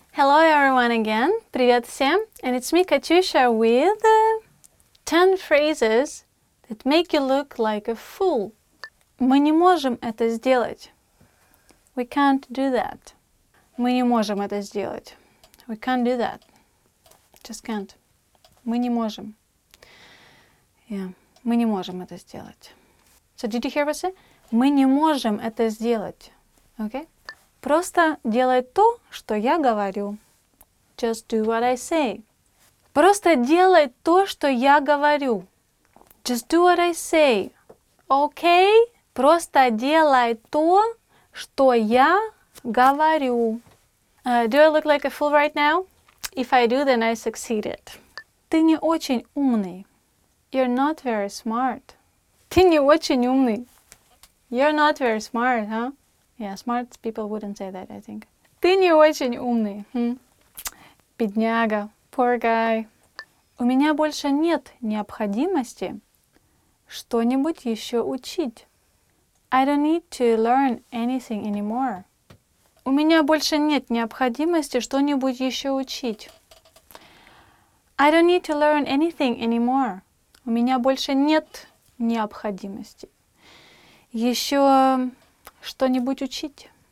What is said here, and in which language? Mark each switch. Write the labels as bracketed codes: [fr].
[en] Hello everyone again, [ru] привет всем, [en] and it's me, Катюша, with 10 phrases that make you look like a fool. [ru] Мы не можем это сделать. [en] We can't do that. [ru] Мы не можем это сделать. [en] We can't do that. Just can't. [ru] Мы не можем. [en] Yeah, [ru] мы не можем это сделать. [en] So did you hear what I said? [ru] Мы не можем это сделать. [en] Okay? [ru] Просто делай то, что я говорю. [en] Just do what I say. [ru] Просто делай то, что я говорю. [en] Just do what I say. Okay? [ru] Просто делай то, что я говорю. [en] Do I look like a fool right now? If I do, then I succeeded. [ru] Ты не очень умный. [en] You're not very smart. [ru] Ты не очень умный. [en] You're not very smart, huh? Yeah, smart people wouldn't say that, I think. [ru] Ты не очень умный. Бедняга. [en] Poor guy. [ru] У меня больше нет необходимости что-нибудь еще учить. [en] I don't need to learn anything anymore. [ru] У меня больше нет необходимости что-нибудь еще учить. [en] I don't need to learn anything anymore. [ru] У меня больше нет необходимости еще что-нибудь учить.